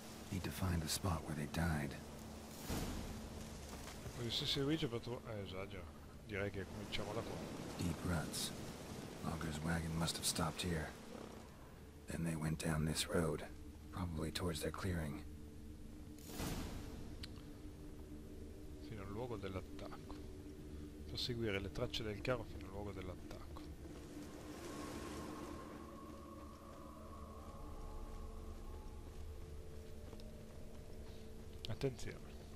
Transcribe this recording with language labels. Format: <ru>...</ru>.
<en>Need to find the spot where they died.</en> <it>Lo stesso Luigi per trovare... esagero. Direi che cominciamo da qua.</it> <en>Deep ruts. Logger's wagon must have stopped here. Then they went down this road. Probably towards their clearing.</en> <it>Fino al luogo dell'attacco. Proseguire le tracce del carro fino al luogo dell'attacco. Attenzione.</it>